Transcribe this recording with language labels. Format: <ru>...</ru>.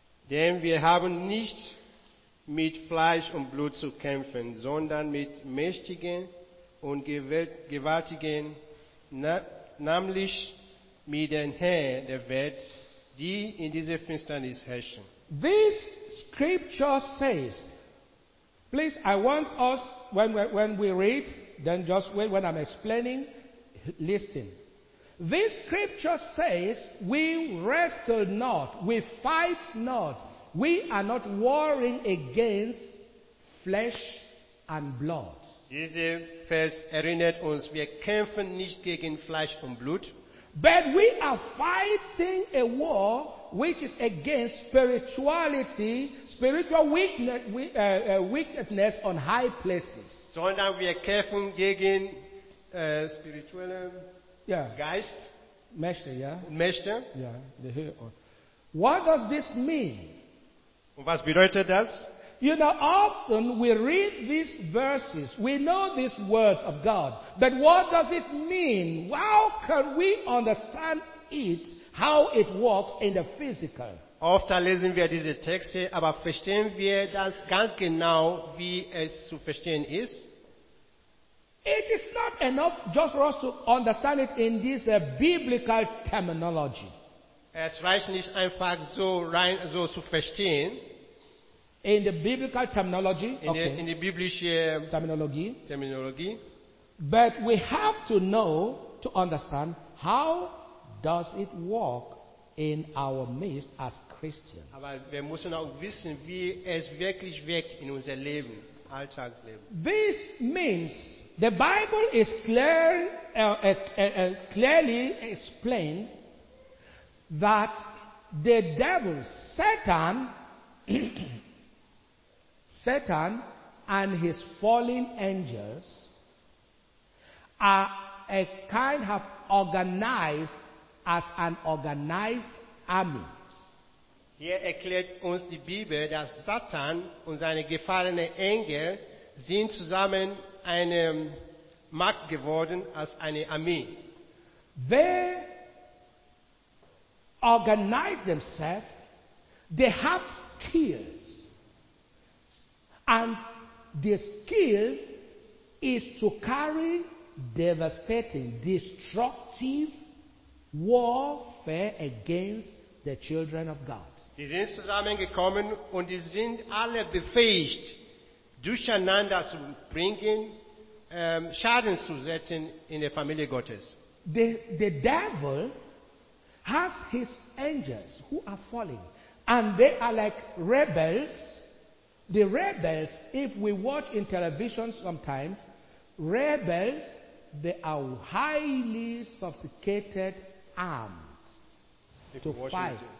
<de>Denn wir haben nicht mit Fleisch und Blut zu kämpfen, sondern mit mächtigen und gewaltigen nämlich mit den Herrn der Welt, die in diesem Finstern ist herrschen.</de> <en>This scripture says, please, I want us, when we read, then just wait, when I'm explaining, listen. This scripture says, we wrestle not, we fight not, we are not warring against flesh and blood.</en> <de>Diese Vers erinnert uns, wir kämpfen nicht gegen Fleisch und Blut.</de> <en>But we are fighting a war which is against spirituality, spiritual weakness on high places.</en> <de>Sondern wir kämpfen gegen spirituellen Geist. Mächte.</de> <en>Yeah. What does this mean?</en> <de>Und was bedeutet das?</de> <en>You know, often we read these verses, we know these words of God, but what does it mean? How can we understand it, how it works in the physical?</en> <de>Oft lesen wir diese Texte, aber verstehen wir das ganz genau, wie es zu verstehen ist?</de> <en>It is not enough just for us to understand it in this biblical terminology.</en> <de>Es reicht nicht einfach so rein so zu verstehen.</de> <en>In the biblical terminology, in the</en> <de>biblische terminologie,</de> <en>but we have to know to understand how does it work in our midst as Christians.</en> <de>Aber wir müssen auch wissen, wie es wirklich wirkt in unser Leben, Alltagsleben.</de> <en>This means the Bible is clearly explained that the devil, Satan. Satan and his fallen angels are a kind of organized as an organized army.</en> <de>Hier erklärt uns die Bibel, dass Satan und seine gefallenen Engel sind zusammen eine Macht geworden als eine Armee.</de> <en>They organize themselves. They have skills. And the skill is to carry devastating, destructive warfare against the children of God.</en> <de>Die sind zusammengekommen und die sind alle befähigt, durcheinander zu bringen, Schaden zu setzen in der Familie Gottes.</de> <en>The devil has his angels who are falling, and they are like rebels. The rebels, if we watch in television sometimes, rebels, they are highly sophisticated armed to fight.</en>